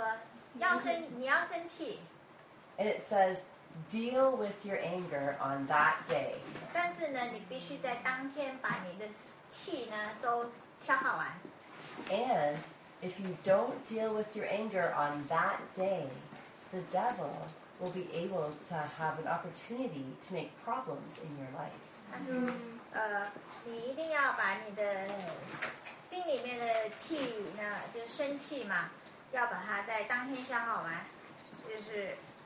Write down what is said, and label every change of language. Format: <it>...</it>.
<zh>他说圣经教导说你要生气。</zh> <en>And it says, deal with your anger on that day.</en> <zh>但是呢,你必须在当天把你的气呢,都消耗完。</zh> <en>And if you don't deal with your anger on that day, the devil will be able to have an opportunity to make problems in your life.</en> <zh>他说,你一定要把你的心里面的气呢,就是生气嘛,要把它在当天消耗完,就是...</zh>